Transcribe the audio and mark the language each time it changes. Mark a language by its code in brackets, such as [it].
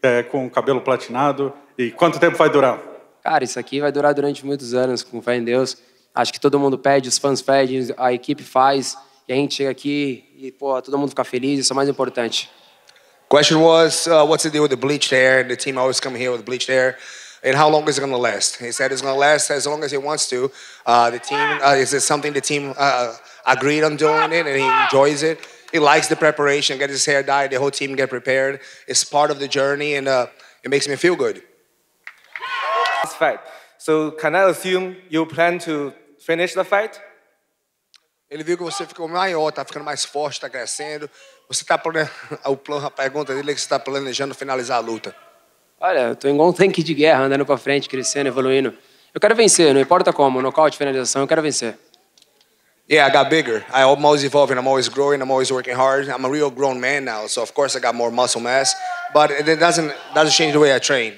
[pt] Com o cabelo platinado, e quanto tempo vai durar? Cara, isso aqui vai durar durante muitos anos, com fé em Deus. Acho que todo mundo pede, os fãs pedem, a equipe faz, e a gente chega aqui e, pô, todo mundo fica feliz, isso é o mais importante. [en] Question was, what's the deal with the bleached hair? The team always come here with the bleached hair. And how long is it going to last? He said it's going to last as long as it wants to. The team agreed on doing it, and he enjoys it. He likes the preparation, get his hair dyed, the whole team get prepared. It's part of the journey, and it makes me feel good. This fight. So can I assume you plan to finish the fight? [pt] Ele viu que você ficou maior, tá ficando mais forte, tá crescendo. Você tá planejando, o plano, a pergunta dele é que você tá planejando finalizar a luta. Olha, eu tô igual um tanque de guerra, andando pra frente, crescendo, evoluindo. Eu quero vencer, não importa como, nocaute, finalização, eu quero vencer. [en] Yeah, I got bigger. I'm always evolving, I'm always growing, I'm always working hard. I'm a real grown man now, so of course I got more muscle mass. But it doesn't change the way I train.